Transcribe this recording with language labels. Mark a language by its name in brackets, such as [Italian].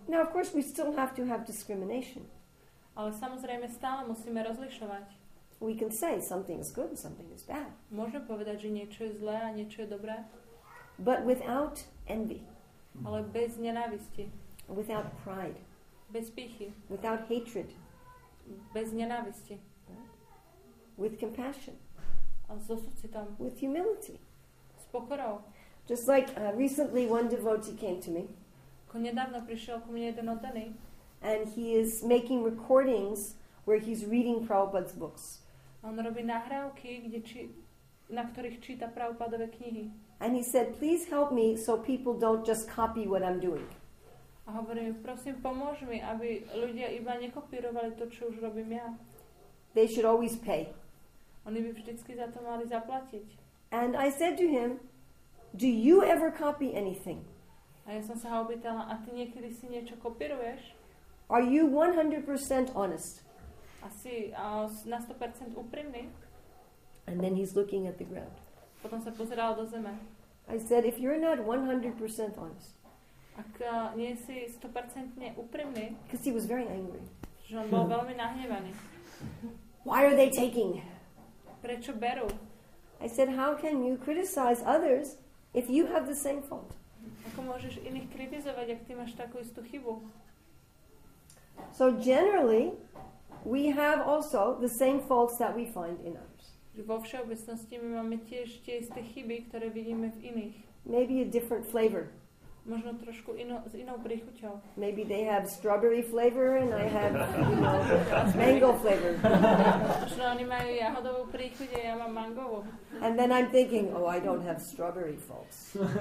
[English] Now of course we still have to have discrimination. [Slovak] Ale samozrejme stále musíme rozlišovať. [English] We can say something is good, something is bad. [Slovak] Môžeme povedať, že niečo je zlé a niečo je dobré. [English] But without envy. [Slovak] Ale bez nenávisti. [English] Without pride. [Slovak] Bez pýchy. [English] Without hatred. [Slovak] Bez nenávisti. [English] With compassion. [Slovak] A so súcitom. [English] With humility. [Slovak] S pokorou. [English] Just like recently one devotee came to me. [Slovak] Ako nedávno prišiel ku mne jeden oddaný. [English] And he is making recordings where he's reading Prabhupada's books. [Slovak] On robí nahrávky, kde na ktorých číta Prabhupadove knihy. [English] And he said, please help me so people don't just copy what I'm doing. [Slovak] A hovorím, prosím, pomôž mi, aby ľudia iba nekopírovali to, čo už robím ja. [English] They should always pay. [Slovak] Oni by vždycky za to mali zaplatiť. [English] And I said to him, do you ever copy anything? [Slovak] A ja som sa ho opýtala, a ty niekedy si niečo kopíruješ? [English] Are you 100% honest? [Slovak] Asi na 100% úprimný? [English] And then he's looking at the ground. [Slovak] Potom sa pozeral do zeme. [English] I said, if you're not 100% honest, [Slovak] ak nie si 100% úprimný, [English] because he was very angry. [Slovak] Že on bol veľmi nahnevaný. [English] Why are they taking? [Slovak] Prečo berú? [English] I said, how can you criticize others if you have the same fault? [Slovak] Ako môžeš iných kritizovať, ak ty máš takú istú chybu? [English] So generally, we have also the same faults that we find in others. [Slovak] Že vo všeobecnosti my máme tiež tie isté chyby, ktoré vidíme v iných. [English] Maybe a different flavor. [Slovak] Možno trošku ino, s inou príchuťou. [English] Maybe they have strawberry flavor and I have mango flavor. [Slovak] Možno oni majú jahodovú príchuť a ja mám mangovú. [English] And then I'm thinking, oh, I don't have strawberry faults.